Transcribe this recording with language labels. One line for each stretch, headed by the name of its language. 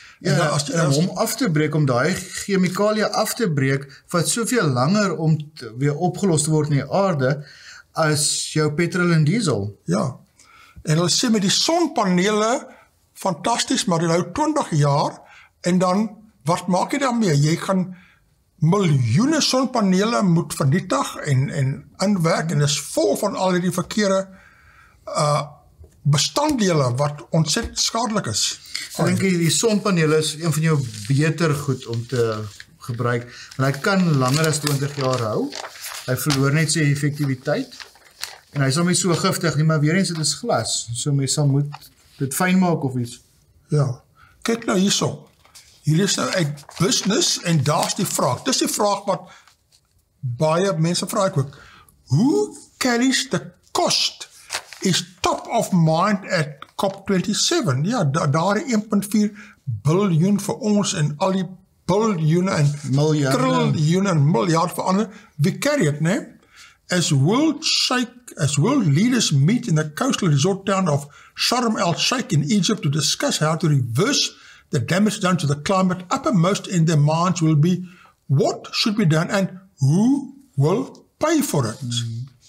Afrikaans: Ja, en om af te breek, om daai chemikalie af te breek, vat soveel langer om weer opgelos te word in die aarde, as jou petrol en diesel. Ja. En hulle sê met die sonpanele, fantasties, maar dit hou 20 jaar, en dan, wat maak jy daarmee? Jy gaan miljoene sonpanele moet vernietig en inwerk en is vol van al die verkeerde bestanddele wat ontsettend skadelik is. Ek dink die sonpanele is een van jou beter goed om te gebruik, want hy kan langer as 20 jaar hou. Hy verloor net sy effektiwiteit en hy is nie so giftig nie, maar weer eens dit is glas, so mens sal moet dit fyn maak of iets. Ja. Kyk nou hierso. Hier is nou uit business en daar is die vraag. Dis die vraag wat baie mense vra ek ook.
English: Hoe carries the cost is top of mind at COP27?
Afrikaans: Ja, daar 1.4 biljoen vir ons en al die biljoene en triljoene en miljard vir ander.
English: We carry it,
Afrikaans: nee?
English: As world leaders meet in the coastal resort town of Sharm el-Sheikh in Egypt to discuss how to reverse the damage done to the climate, uppermost in their minds will be what should be done and who will pay for it. Mm.